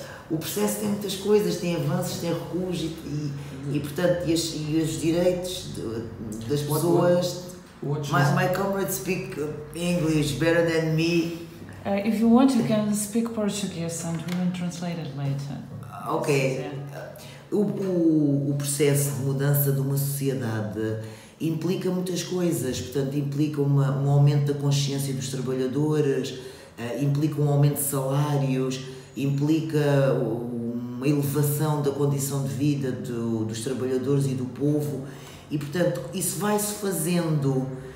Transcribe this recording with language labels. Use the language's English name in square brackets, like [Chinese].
[Portuguese] O processo tem muitas coisas, tem avanços, tem recuos e portanto, e os direitos das pessoas. [English] My comrades speak English better than me. If you want, you can speak Portuguese and we will translate it later. Ok. [Portuguese] O processo de mudança de uma sociedade implica muitas coisas, portanto, implica um aumento da consciência dos trabalhadores, implica um aumento de salários, implica uma elevação da condição de vida dos trabalhadores e do povo, e portanto, isso vai-se fazendo,